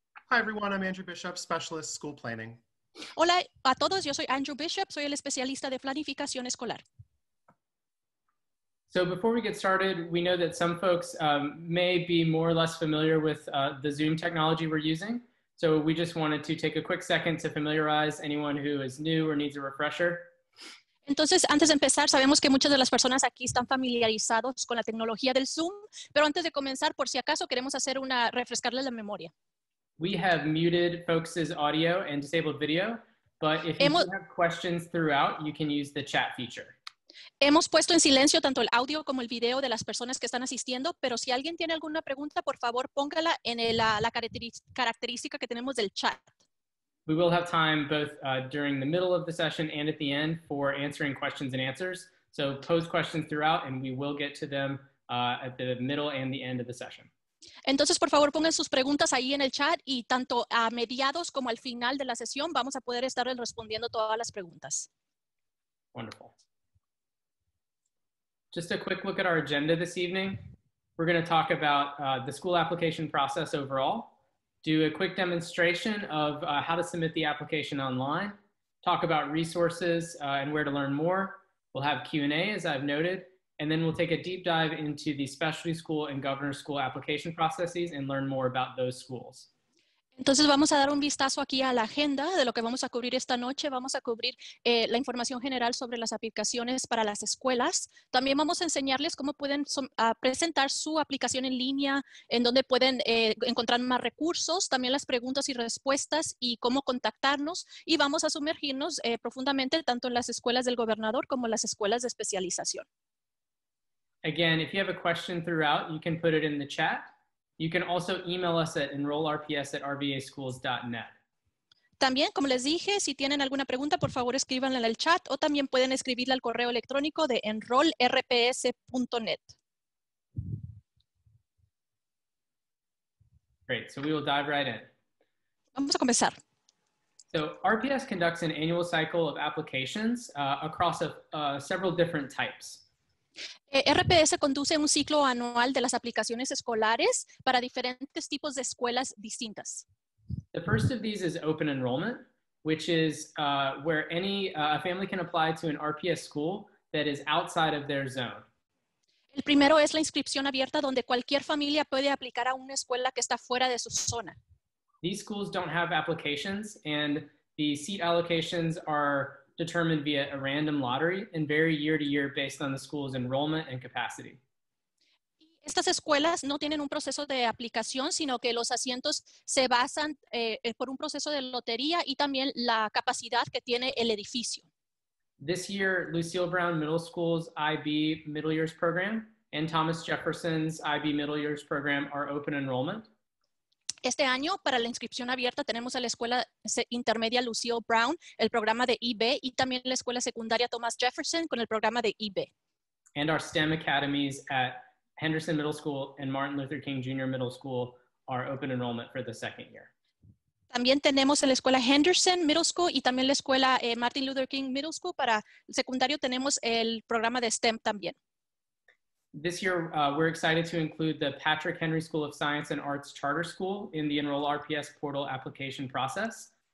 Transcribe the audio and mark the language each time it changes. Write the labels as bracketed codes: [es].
[en] Hi everyone, I'm Andrew Bishop, specialist school planning. [es] Hola a todos, yo soy Andrew Bishop, soy el especialista de planificación escolar. [en] So before we get started, we know that some folks may be more or less familiar with the Zoom technology we're using. So we just wanted to take a quick second to familiarize anyone who is new or needs a refresher. [es] Entonces, antes de empezar, sabemos que muchas de las personas aquí están familiarizados con la tecnología del Zoom, pero antes de comenzar, por si acaso, queremos hacer una refrescarle la memoria. [en] We have muted folks' audio and disabled video, but if you have questions throughout, you can use the chat feature. [es] Hemos puesto en silencio tanto el audio como el video de las personas que están asistiendo, pero si alguien tiene alguna pregunta, por favor, póngala en la característica que tenemos del chat. [en] We will have time both during the middle of the session and at the end for answering questions and answers. So post questions throughout and we will get to them at the middle and the end of the session. [es] Entonces, por favor, pongan sus preguntas ahí en el chat y tanto a mediados como al final de la sesión vamos a poder estar respondiendo todas las preguntas. [en] Wonderful. Just a quick look at our agenda this evening. We're going to talk about the school application process overall, do a quick demonstration of how to submit the application online, talk about resources and where to learn more. We'll have Q&A, as I've noted. And then we'll take a deep dive into the specialty school and governor school application processes and learn more about those schools. [es] Entonces vamos a dar un vistazo aquí a la agenda de lo que vamos a cubrir esta noche. Vamos a cubrir la información general sobre las aplicaciones para las escuelas. También vamos a enseñarles cómo pueden presentar su aplicación en línea, en donde pueden encontrar más recursos, también las preguntas y respuestas y cómo contactarnos. Y vamos a sumergirnos profundamente tanto en las escuelas del gobernador como en las escuelas de especialización. [en] Again, if you have a question throughout, you can put it in the chat. You can also email us at enrollrps@rvaschools.net. [es] También, como les dije, si tienen alguna pregunta, por favor, escríbanla en el chat o también pueden escribirla al correo electrónico de enrollrps.net. [en] Great, so we will dive right in. [es] Vamos a comenzar. [en] So RPS conducts an annual cycle of applications across several different types. [es] RPS conduce un ciclo anual de las aplicaciones escolares para diferentes tipos de escuelas distintas. [en] The first of these is open enrollment, which is where any family can apply to an RPS school that is outside of their zone. [es] El primero es la inscripción abierta donde cualquier familia puede aplicar a una escuela que está fuera de su zona. [en] These schools don't have applications and the seat allocations are determined via a random lottery and vary year to year based on the school's enrollment and capacity. [es] Estas escuelas no tienen un proceso de aplicación, sino que los asientos se basan por un proceso de lotería y también la capacidad que tiene el edificio. [en] This year, Lucille Brown Middle School's IB Middle Years Program and Thomas Jefferson's IB Middle Years Program are open enrollment. [es] Este año, para la inscripción abierta, tenemos a la Escuela Intermedia Lucio Brown, el programa de IB, y también la Escuela Secundaria Thomas Jefferson con el programa de IB. [en] And our STEM academies at Henderson Middle School and Martin Luther King Jr. Middle School are open enrollment for the second year. [es] También tenemos en la Escuela Henderson Middle School y también la Escuela Martin Luther King Middle School. Para el secundario tenemos el programa de STEM también. [en] This year, we're excited to include the Patrick Henry School of Science and Arts Charter School in the Enroll RPS portal application process.